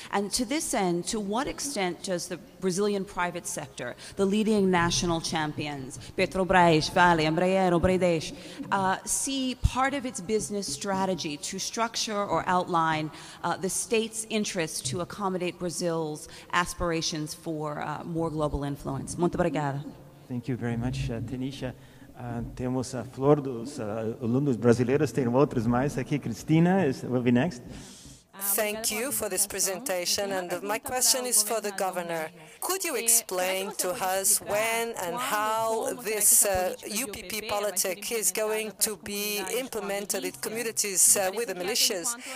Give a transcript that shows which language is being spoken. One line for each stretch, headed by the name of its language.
English: And to this end, to what extent does the Brazilian private sector, the leading national champions, Petrobras, Vale, Embraer, Odebrecht, see part of its business strategy to structure or outline the state's interest to accommodate Brazil's aspirations for more global influence?
Portuguese: Muito obrigada.
English: Thank you very much, Tanisha.
Portuguese: Temos a flor dos alunos brasileiros, tem outros mais aqui.
English: Cristina will be next. Thank you for this presentation, and my question is for the governor. Could you explain to us when and how this UPP politic is going to be implemented in communities with the militias?